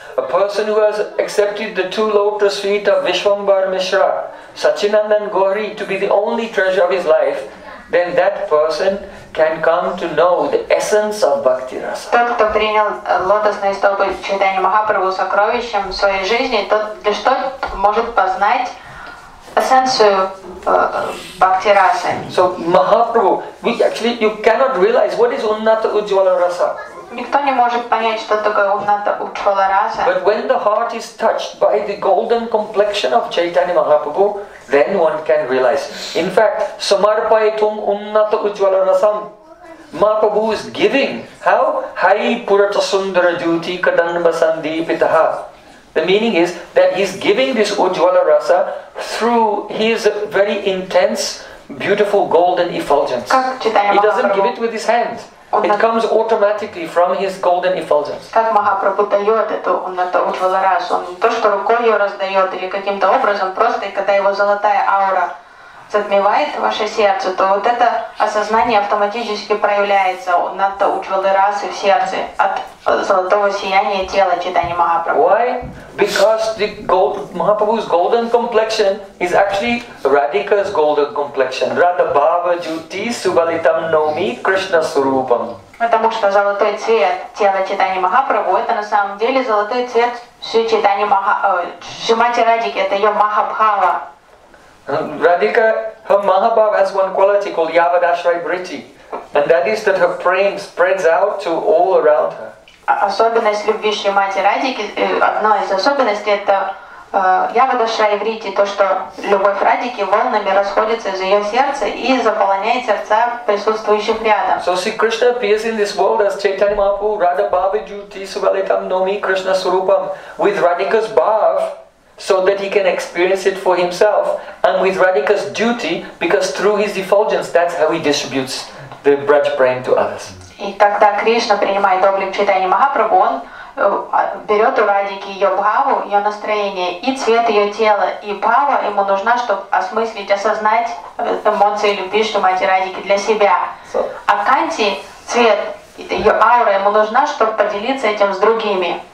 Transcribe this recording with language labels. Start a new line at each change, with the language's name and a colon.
English: A person who has accepted the two lotus feet of Vishwambar Mishra, Sachinandan Gauri, to be the only treasure of his life, then that person can come to know the essence of Bhakti Rasa.
Russian: Тот, кто принял лотосные стопы Чайтанья Махапрабху сокровищем в своей жизни, тот лишь тот может познать эссенцию Бхакти Расы.
English: So, Mahaprabhu, we actually, you cannot realize what is Unnata Ujjvala Rasa.
Russian: Никто не может понять, что такое Унната Уджвала Раса.
English: But when the heart is touched by the golden complexion of Chaitanya Mahaprabhu, then one can realize. In fact,
Sanskrit: Samarpayatum Unnata Ujjvala Rasam.
English: Mahaprabhu is giving. How?
Sanskrit: Hai Purata Sundara Jyoti Kadamba Sandeepitaha.
English: The meaning is that he is giving this Ujjvala Rasa through his very intense, beautiful golden effulgence.
Russian: Как Chaitanya Mahaprabhu?
English: He doesn't give it with his hands. It comes automatically from his golden effulgence.
Russian: Как Махапрабху дает эту Унната Уджвала Расу? Он то, что рукой ее раздает, или каким-то образом, просто и когда его золотая аура затмевает ваше сердце, то вот это осознание автоматически проявляется Унната Уджвала Расы в сердце от золотого сияния тела Чайтаньи Махапрабху.
English: Why? Because the gold, Mahaprabhu's golden complexion is actually Radhika's golden complexion.
Sanskrit: Radha Bhava Jyoti Subalitam Nomi Krishna Surupam.
Russian: Потому что золотой цвет тела Чайтаньи Махапрабху это на самом деле золотой цвет Шри Чайтаньи Шримати Радики, это ее Махабхава.
English: Radhika, her Mahabhava has one quality called Yavadashray Briti, and that is that her prem spreads out to all around her.
Russian: Особенность любви Шримати Радики, одна из особенностей это Yavadashray Briti, то что любовь Радики волнами расходится из ее сердца и заполняет сердца присутствующих рядом.
English: So see, Krishna appears in this world as Chaitanya Mahaprabhu,
Sanskrit: Radha Bhava Jyoti Subalitam Nomi Krishna Surupam,
English: with Radhika's Bhav, so that he can experience it for himself, and with Radhika's duty, because through his effulgence, that's how he distributes the Braj Prem to others.
Russian: И тогда Кришна принимает облик Чайтаньи Махапрабху, он берет у Радики ее бхаву, ее настроение и цвет ее тела, и бхава ему нужна, чтобы осмыслить, осознать эмоции любви, что мать Радики для себя. А Канти цвет ее аура ему нужна, чтобы поделиться этим с другими.